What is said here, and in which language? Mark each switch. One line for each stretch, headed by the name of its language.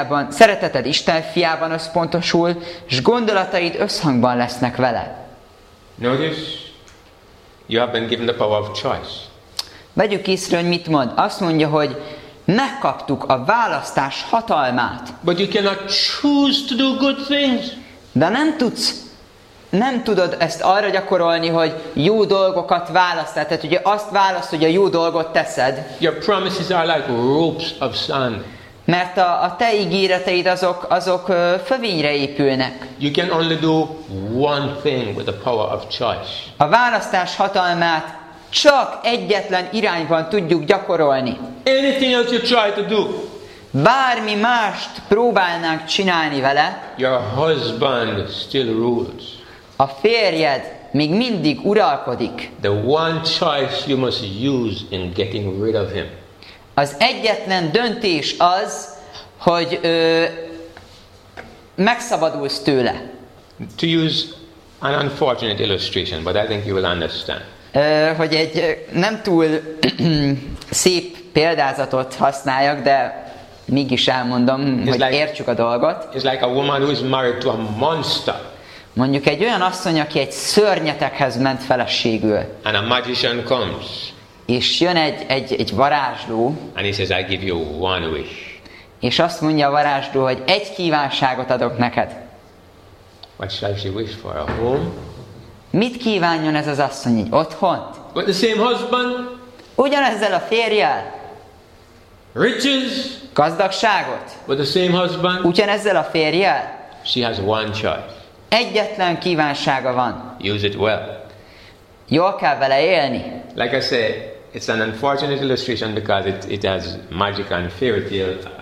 Hungarian: Szereteted Isten fiában összpontosul, s gondolataid összhangban lesznek vele.
English: Notice, you have been given the power of choice.
Hungarian: Vegyük észre, hogy mit mond. Azt mondja, hogy megkaptuk a választás hatalmát.
English: But you cannot choose to do good things.
Hungarian: De nem tudod ezt arra gyakorolni, hogy jó dolgokat választ. Tehát ugye azt választ, hogy a jó dolgot teszed.
English: Your promises are like ropes of sand.
Hungarian: Mert a te ígéreteid azok fövényre épülnek.
English: You can only do one thing with the power of choice.
Hungarian: A választás hatalmát csak egyetlen irányban tudjuk gyakorolni.
English: Anything else you try to do.
Hungarian: Bármi mást próbálnánk csinálni vele.
English: Your husband still rules.
Hungarian: A férjed még mindig uralkodik.
English: The one choice you must use in getting rid of him.
Hungarian: Az egyetlen döntés az, hogy megszabadulsz tőle.
English: To use an unfortunate illustration, but I think you will understand.
Hungarian: Hogy egy nem túl szép példázatot használjak, de mégis elmondom,
English: it's
Hungarian: hogy
English: like,
Hungarian: értsük a dolgot.
English: It's like a woman who is married to a monster.
Hungarian: Mondjuk egy olyan asszony, aki egy szörnyetekhez ment feleségül.
English: And a magician comes.
Hungarian: És jön egy varázsló.
English: And he says, I give you one wish.
Hungarian: És azt mondja a varázsló, hogy egy kívánságot adok neked.
English: What shall she wish for? A home?
Hungarian: Mit kívánjon ez az asszony, egy otthont?
English: But the same husband?
Hungarian: Ugyanezzel a férjel?
English: Riches?
Hungarian: Gazdagságot?
English: But the same husband?
Hungarian: Ugyanezzel a férjel?
English: She has one choice.
Hungarian: Egyetlen kívánsága van.
English: Use it well.
Hungarian: Jól kell vele élni.
English: Like I say, it's an unfortunate illustration because it has magic and fairy tale.